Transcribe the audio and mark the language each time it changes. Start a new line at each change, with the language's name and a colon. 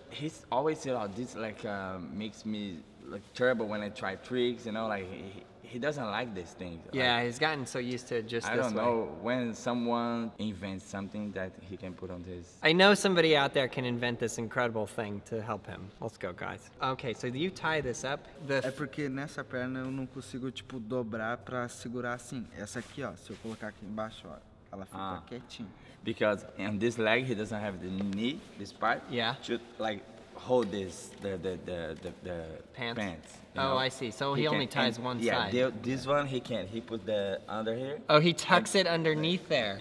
English: He's always said, oh, this, like, makes me, like, terrible when I try tricks, you know? Like, he doesn't like this thing. Yeah, like, he's gotten so used to just this way. I don't know. When someone invents something that he can put on this... I know somebody out there can invent this incredible thing to help him. Let's go, guys. Okay, so you tie this up.
Portuguese: É porque nessa perna eu não consigo, tipo, dobrar pra segurar assim. Essa aqui, ó. Se eu colocar aqui embaixo, ó. Ela fica quietinha.
English: Because on this leg, he doesn't have the knee, this part. Yeah. To, like... hold this the pants. Oh, I see. So he only ties one side. Yeah, this one he can't. He put the under here. Oh, he tucks it underneath there.